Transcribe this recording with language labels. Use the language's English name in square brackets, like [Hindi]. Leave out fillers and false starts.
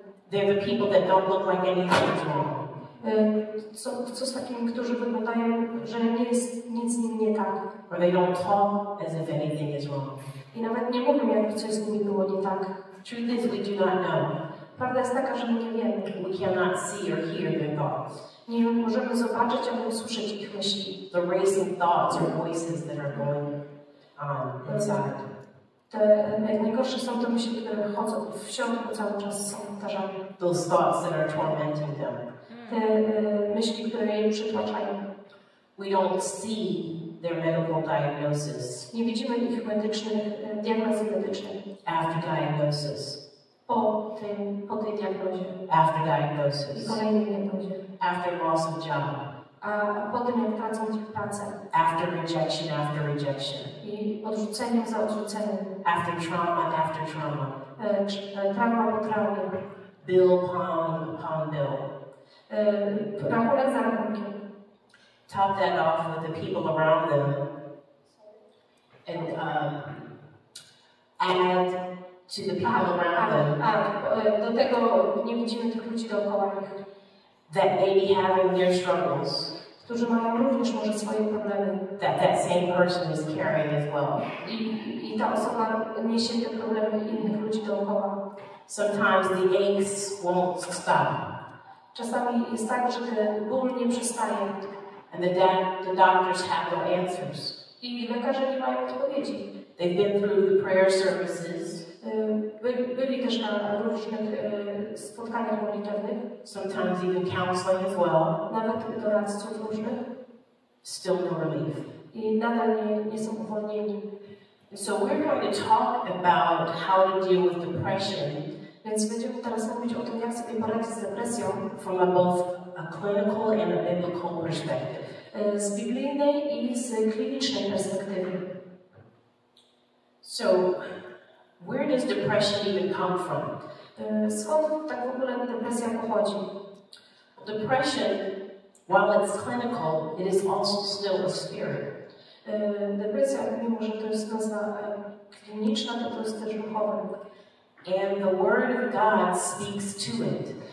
[English] They're the people that don't look like anything's wrong. [Polish] Co z takimi, którzy wyglądają, że nie jest nic z nim nie tak. [English] Or they don't talk as if anything is wrong. [Polish] I nawet nie mówią, jakby coś z nimi było nie tak. [English] Truth is, we do not know. [Polish] Prawda jest taka, że my nie wiemy. [English] We cannot see or hear their thoughts. [Polish] Nie możemy zobaczyć, ani usłyszeć ich myśli. [English] The racing thoughts or voices that are going inside. [Polish] Te najgorsze są te myśli, które chodzą w środku cały czas są powtarzane. [English] Those thoughts that are tormenting them. [Polish] Te myśli, które je przytłaczają. [English] We don't see their medical diagnosis. [Polish] Nie widzimy ich diagnozy medycznej. [English] After diagnosis. [Polish] Po tej diagnozie. [English] After diagnosis. [Polish] Kolejnej diagnozie. [English] After loss of job. [Polish] A potem jak tracą pracę. [English] After rejection. [Polish] I odrzucenie za odrzuceniem. [English] After trauma. [Polish] Trauma po traumie. [English] Bill upon bill. Top that off with the people around them and add to the people [Polish] Do tego nie widzimy tych ludzi dookoła nich. [English] That they be having their struggles. [Polish] Którzy mają również może swoje problemy. [English] That same person is carrying as well. [Polish] I ta osoba niesie te problemy innych ludzi dookoła. [English] Sometimes the aches won't stop. [Polish] Czasami jest tak, że ból nie przestaje. [English] And the doctors have no answers. [Polish] I lekarze nie mają odpowiedzi. [English] They've been through the prayer services. [Polish] Byli też na różnych spotkaniach modlitewnych. [English] Sometimes even counseling as well. [Polish] Nawet doradców różnych. [English] Still no relief. [Polish] I nadal nie są uwolnieni. [English] So we're going to talk about how to deal with depression. [Polish] Więc będziemy teraz mówić o tym, jak sobie poradzić z depresją. [English] From both a clinical and a biblical perspective. [Polish] Z biblijnej i z klinicznej perspektywy. [English] So, where does depression even come from? [Polish] Skąd tak w ogóle depresja pochodzi? [English] Depression, while it's clinical, it is also still a spirit. [Polish] Depresja, mimo że to jest nazwa kliniczna, to jest też duchowe. [English] And the word of God speaks to it.